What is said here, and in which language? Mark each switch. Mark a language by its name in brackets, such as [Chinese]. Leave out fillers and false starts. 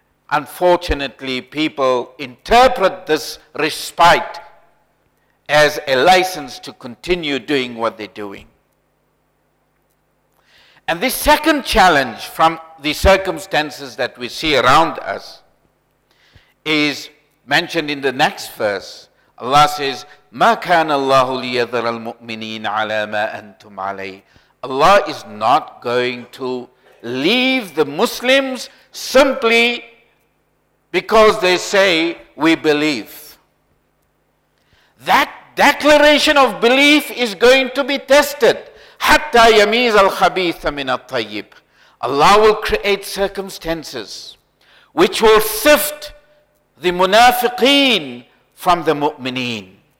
[English] Unfortunately, people interpret this respite as a license to continue doing what they're doing. And the second challenge from the circumstances that we see around us is mentioned in the next verse. [Arabic] Allah says, مَا كَانَ اللَّهُ لِيَذَرَ الْمُؤْمِنِينَ عَلَى مَا أَنْتُمْ عَلَيْهِ. [English] Allah is not going to leave the Muslims simply because they say, we believe. That declaration of belief is going to be tested. Hatta yamiz al-khabitha min al-tayyib. Allah will create circumstances which will sift the munafiqeen from the mu'mineen.